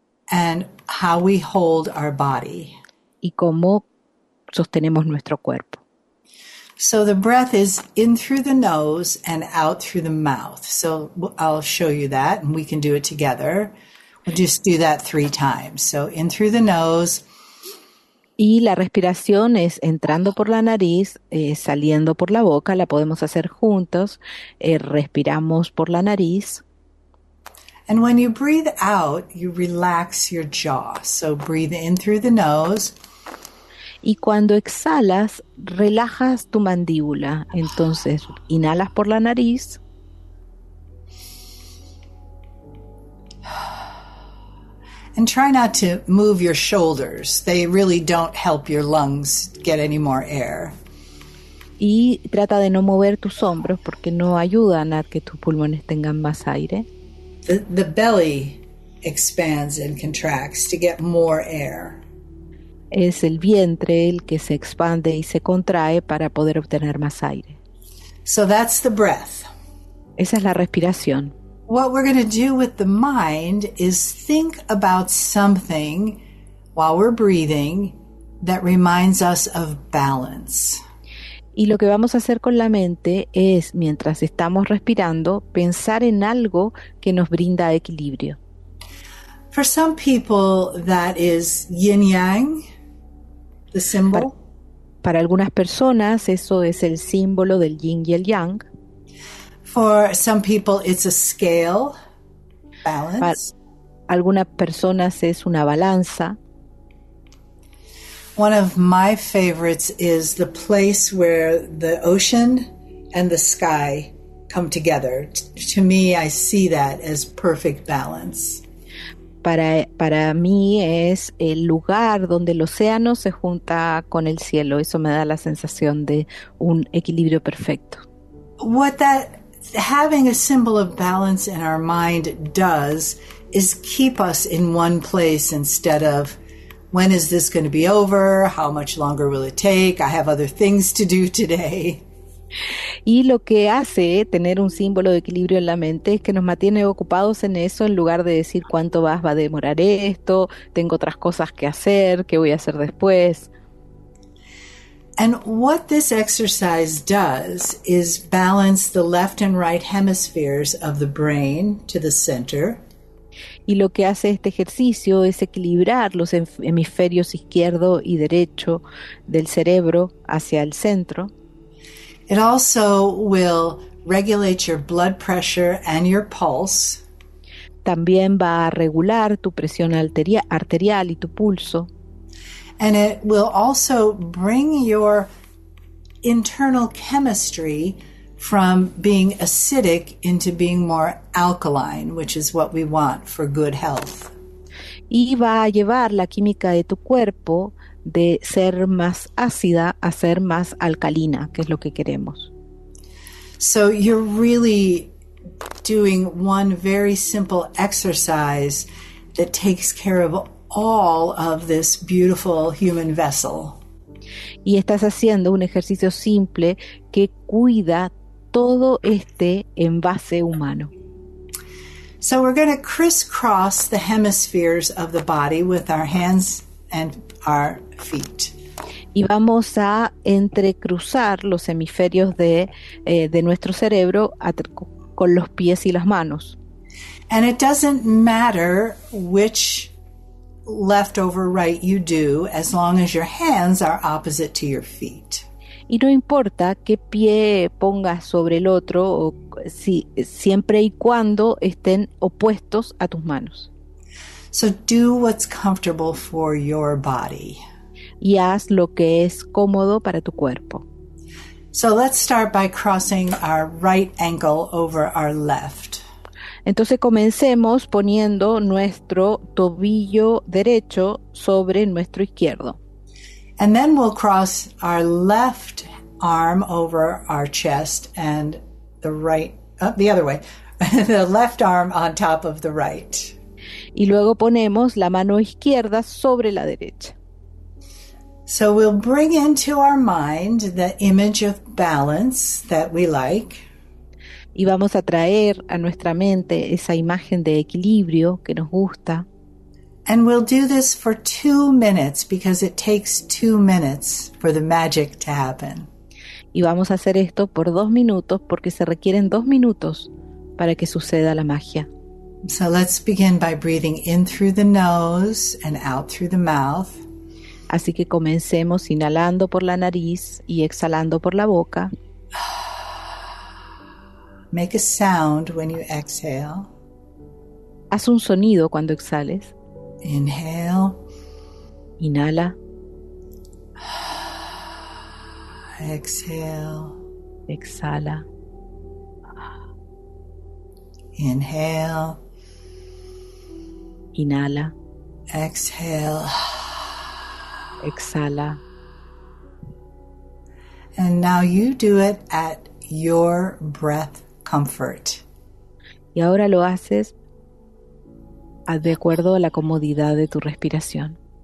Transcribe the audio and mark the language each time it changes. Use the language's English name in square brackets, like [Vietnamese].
[English] and how we hold our body, [Spanish] y cómo sostenemos nuestro cuerpo. [English] So the breath is in through the nose and out through the mouth. So I'll show you that, and we can do it together. We'll just do that three times. So in through the nose. [Spanish] Y la respiración es entrando por la nariz, saliendo por la boca. La podemos hacer juntos. Respiramos por la nariz. [English] And when you breathe out, you relax your jaw. So breathe in through the nose. [Spanish] Y cuando exhalas, relajas tu mandíbula. Entonces, inhalas por la nariz. [English] And try not to move your shoulders. They really don't help your lungs get any more air. [Spanish] Y trata de no mover tus hombros porque no ayudan a que tus pulmones tengan más aire. [English] The belly expands and contracts to get more air. [Spanish] Es el vientre el que se expande y se contrae para poder obtener más aire. [English] So that's the breath. [Spanish] Esa es la respiración. [English] What we're going to do with the mind is think about something while we're breathing that reminds us of balance. [Spanish] Y lo que vamos a hacer con la mente es, mientras estamos respirando, pensar en algo que nos brinda equilibrio. [English] For some people, that is yin-yang, the symbol. [Spanish] Para algunas personas, eso es el símbolo del yin y el yang. [English] For some people, it's a scale balance. [Spanish] Para algunas personas es una balanza. [English] One of my favorites is the place where the ocean and the sky come together. To me, I see that as perfect balance. [Spanish] Para para mí es el lugar donde el océano se junta con el cielo. Eso me da la sensación de un equilibrio perfecto. [English] What that having a symbol of balance in our mind does is keep us in one place instead of when is this going to be over? How much longer will it take? I have other things to do today. [Spanish] Y lo que hace tener un símbolo de equilibrio en la mente es que nos mantiene ocupados en eso en lugar de decir cuánto más va a demorar esto, tengo otras cosas que hacer, qué voy a hacer después. [English] And what this exercise does is balance the left and right hemispheres of the brain to the center. [Spanish] Y lo que hace este ejercicio es equilibrar los hemisferios izquierdo y derecho del cerebro hacia el centro. [English] It also will regulate your blood pressure and your pulse. [Spanish] También va a regular tu presión arterial y tu pulso. [English] And it will also bring your internal chemistry from being acidic into being more alkaline, which is what we want for good health. [Spanish] Y va a llevar la química de tu cuerpo de ser más ácida a ser más alcalina, que es lo que queremos. [English] So you're really doing one very simple exercise that takes care of all of this beautiful human vessel. [Spanish] Y estás haciendo un ejercicio simple que cuida todo este envase humano. [English] So we're going to crisscross the hemispheres of the body with our hands and our feet. [Spanish] Y vamos a entrecruzar los hemisferios de nuestro cerebro con los pies y las manos. [English] And it doesn't matter which left over right you do, as long as your hands are opposite to your feet. [Spanish] Y no importa qué pie pongas sobre el otro, o si, siempre y cuando estén opuestos a tus manos. [English] So do what's comfortable for your body. [Spanish] Y haz lo que es cómodo para tu cuerpo. [English] So let's start by crossing our right ankle over our left. [Spanish] Entonces comencemos poniendo nuestro tobillo derecho sobre nuestro izquierdo. [English] And then we'll cross our left arm over our chest and the other way, the left arm on top of the right. [Spanish] Y luego ponemos la mano izquierda sobre la derecha. [English] So we'll bring into our mind the image of balance that we like. [Spanish] Y vamos a traer a nuestra mente esa imagen de equilibrio que nos gusta. [English] And we'll do this for 2 minutes because it takes 2 minutes for the magic to happen. [Spanish] Y vamos a hacer esto por 2 minutos porque se requieren 2 minutos para que suceda la magia. [English] So let's begin by breathing in through the nose and out through the mouth. [Spanish] Así que comencemos inhalando por la nariz y exhalando por la boca. [English] Make a sound when you exhale. [Spanish] Haz un sonido cuando exhales. [English] Inhale. [Spanish] Inhala. [English] Exhale. [Spanish] Exhala. [English] Inhale. [Spanish] Inhala. [English] Exhale. [Spanish] Exhala. [English] And now you do it at your breath comfort. [Spanish] Y ahora lo haces de acuerdo a la comodidad de tu respiración.